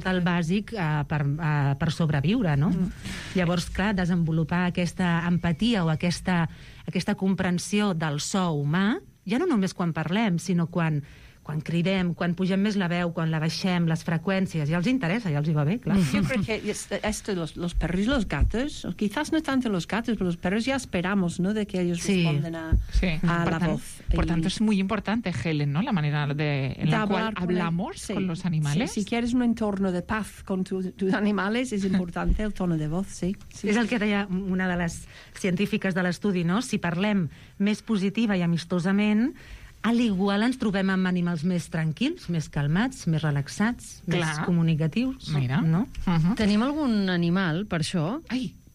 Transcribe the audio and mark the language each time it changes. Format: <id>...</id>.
<ca>tot el bàsic per sobreviure, no? Mm. Llavors, clar, desenvolupar aquesta empatia o aquesta comprensió del so humà, ja no només quan parlem, sinó quan cridem, quan pugem més la veu, quan la baixem, les freqüències, ja els interessa, ja els hi va bé, clar. Jo crec que</ca> <es>esto, los perros y los gatos, o quizás no tanto los gatos, pero los perros ya esperamos, ¿no?, de que ellos sí. responden a la voz. Por tanto, es muy importante, Helen, ¿no?, la manera de la cual hablamos con los animales. Sí, si quieres un entorno de paz con tus animales, es importante el tono de voz, sí.</es> <ca>És el que deia una de les científiques de l'estudi, ¿no?, si parlem més positiva i amistosament, a l'igual ens trobem amb animals més tranquils, més calmats, més relaxats, clar, més comunicatius. Mira. No? Uh-huh. Tenim algun animal, per això, ai,</ca>